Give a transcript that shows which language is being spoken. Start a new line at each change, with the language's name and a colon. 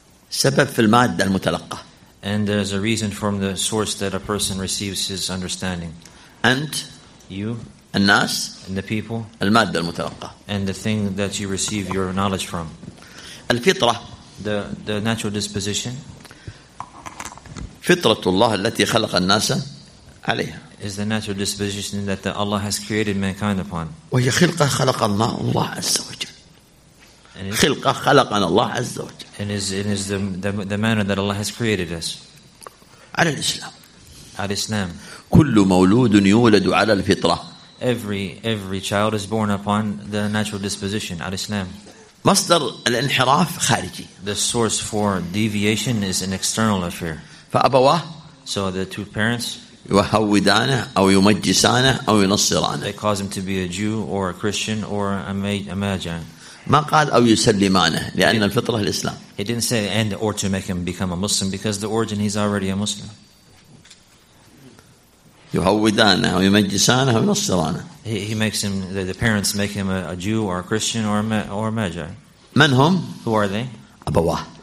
Arabic: سبب في المادة المتلقة.
English: And there's a reason from the source that a person receives his understanding.
Arabic: أنت.
English: You.
Arabic: الناس.
English: And the people.
Arabic: المادة المتلقة.
English: And the thing that you receive your knowledge from.
Arabic: الفطرة.
English: The natural disposition.
Arabic: فطرة الله التي خلق الناس عليها.
English: Is the natural disposition that Allah has created mankind upon.
Arabic: وهي خلقة خلق الله عز وجل. خلق خلقنا الله عز وجل.
English: And is the manner that Allah has created us.
Arabic: على الإسلام. على الإسلام. كل مولود يولد على الفطرة.
English: Every child is born upon the natural disposition.
Arabic: على الإسلام. مصدر الانحراف خارجي.
English: The source for deviation is an external affair.
Arabic: فأبواه.
English: So the two parents.
Arabic: يهودانه أو يمجسانه أو ينصرانه.
English: They cause him to be a Jew or a Christian or a Magian.
Arabic: ما قال أو يسلمانه لأن الفطرة الإسلام.
English: He didn't say and or to make him become a Muslim because the origin he's already a Muslim.
Arabic: يهودانه أو يمجسانه أو ينصرانه.
English: He makes him the parents make him a Jew or a Christian or a Magi.
Arabic: من هم؟
English: Who are they?
Arabic: أبواه.